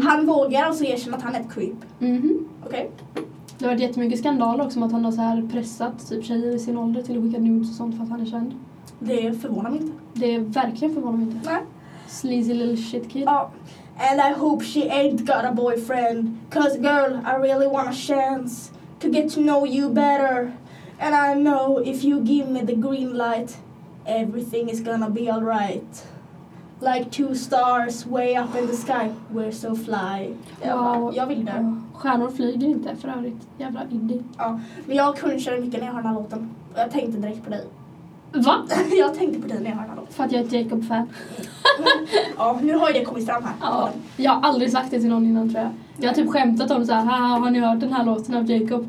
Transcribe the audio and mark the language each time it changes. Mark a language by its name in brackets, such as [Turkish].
[Swedish] Han vågar alltså erkänna att han är ett creep. Mhm. Okej. Okay. Det har varit jättemycket skandal också om att han har så här pressat typ tjejer i sin ålder till att skicka nudes och sånt för att han är känd. Det förvånar mig inte. Det är verkligen förvånar mig inte. Nej. [English] Sleazy little shit kid. [Swedish] Ja. [English] And I hope she ain't got a boyfriend. Cause girl, I really want a chance to get to know you better. And I know if you give me the green light, everything is gonna be alright. Like two stars way up in the sky, we're so fly. Wow. [Swedish] Jag vill dö. Stjärnor flyger inte för övrigt. Jävla indie. Ja, men jag kunde köra mycket när jag hörde den här låten. Jag tänkte direkt på dig. Va? Jag tänkte på dig när jag hörde den här låten. För att jag är ett Jacob-fan. Ja, nu har ju det kommit fram här. Ja, jag har aldrig sagt det till någon innan, tror jag. Jag har typ skämtat om så här: har ni hört den här låten av Jacob?